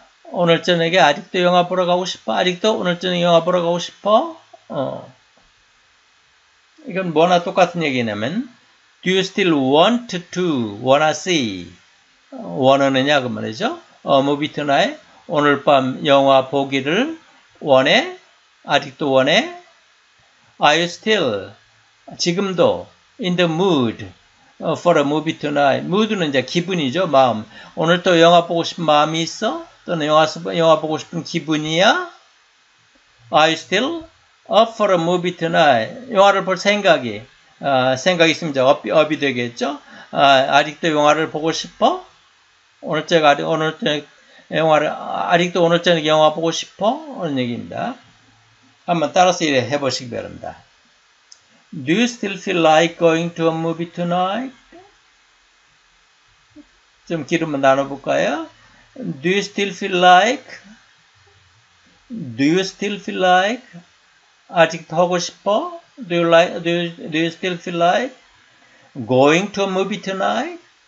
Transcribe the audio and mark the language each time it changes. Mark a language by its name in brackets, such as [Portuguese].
[Korean] 오늘 저녁에 아직도 영화 보러 가고 싶어? 아직도 오늘 저녁 영화 보러 가고 싶어? 이건 뭐나 똑같은 얘기냐면 [English] Do you still want to, wanna see? [Korean] 원하느냐 그 말이죠. [English] A movie tonight. [Korean] 오늘 밤 영화 보기를 원해? 아직도 원해? [English] Are you still, 지금도, in the mood for a movie tonight? [Korean] mood는 이제 기분이죠, 마음. 오늘 또 영화 보고 싶은 마음이 있어? 또는 영화 보고 싶은 기분이야? [English] Are you still up for a movie tonight? [Korean] 영화를 볼 생각이. 생각이 있으면 이제 up이 되겠죠? 아직도 영화를 보고 싶어? 아직도 오늘 저녁 영화 보고 싶어? 하는 얘기입니다. 한번 따라서 이래 해보시기 바랍니다. [English] Do you still feel like going to a movie tonight? [Korean] 좀 기름을 나눠볼까요? [English] Do you still feel like? Do you still feel like? [Korean] 아직도 하고 싶어? [English] Do you still feel like? Going to a movie tonight?